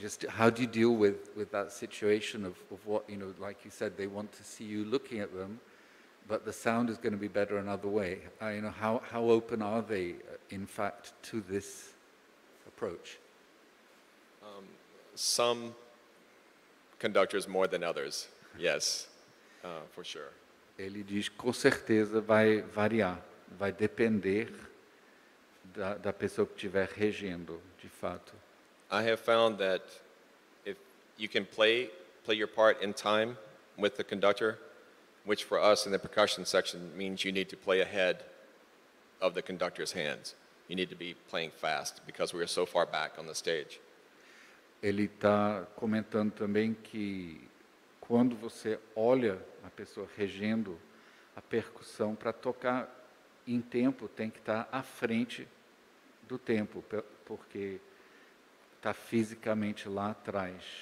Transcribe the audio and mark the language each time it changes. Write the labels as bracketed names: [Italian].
[English] How do you deal with that situation of what, you know, like you said, they want to see you looking at them, but the sound is going to be better another way. You know, how open are they, in fact, to this approach? Some conductors more than others, yes, for sure. [Portuguese] Ele diz, com certeza vai variar, vai depender da pessoa que estiver regendo, de fato. [English] I have found that if you can play your part in time with the conductor, which for us in the percussion section means you need to play ahead of the conductor's hands. You need to be playing fast because we are so far back on the stage. [Portuguese] Ele está comentando também que quando você olha a pessoa regendo, a percussão para tocar em tempo tem que estar à frente do tempo, porque está fisicamente lá atrás.